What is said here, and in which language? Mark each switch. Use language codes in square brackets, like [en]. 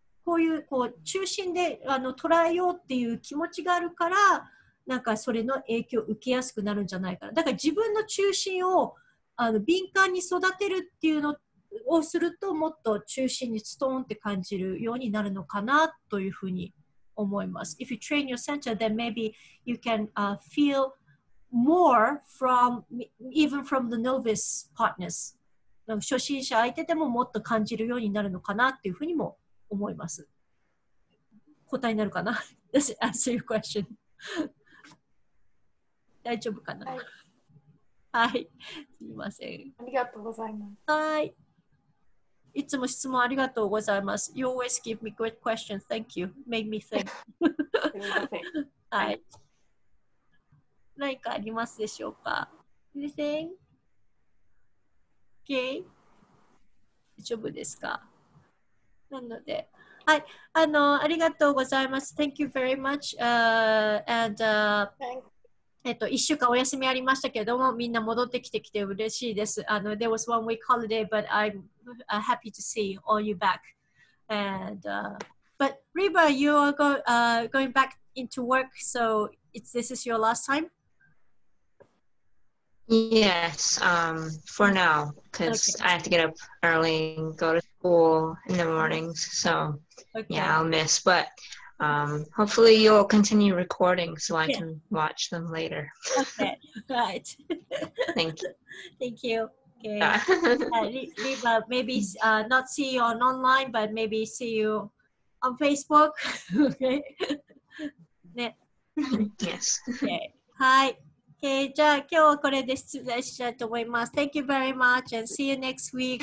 [ja] こういう、こう、中心で、捉えようっていう気持ちがあるから、なんか、それの影響を受けやすくなるんじゃないかな。だから、自分の中心を、敏感に育てるっていうのをすると、もっと中心にストーンって感じるようになるのかな、というふうに思います。 [en] If you train your center, then maybe you can, feel more from, even from the novice partners. [ja] 初心者相手でももっと感じるようになるのかな、っていうふうにも、思います。答えになるかな? [en] Does it answer your question? [ja] 大丈夫かな?はい。すみません。ありがとうございます。はい。いつも質問ありがとうございます。 [en] You always give me great questions. Thank you. Made me think. はい。 [ja] 何かありますでしょうか? [en] Anything? Okay? [ja] 大丈夫ですか? なので、はい、ありがとうございます。 [en] Thank you very much. [ja] 1週間お休みありましたけども、みんな戻ってきてきて嬉しいです。 [en] There was one week holiday, but I'm happy to see all you back. And, but Reba, you are going back into work, so this is your last time? Yes, for now, because、okay. I have to get up early and go to school in the mornings, so、okay. yeah, I'll miss, but、hopefully you'll continue recording so I can watch them later. Okay, right. Thank you. Thank you. Okay. Reba, maybe not see you on online, but maybe see you on Facebook. Okay. Yes. Okay. Hi. [ja] Okay, じゃあ今日はこれで失礼したいと思います。 [en] Thank you very much and see you next week.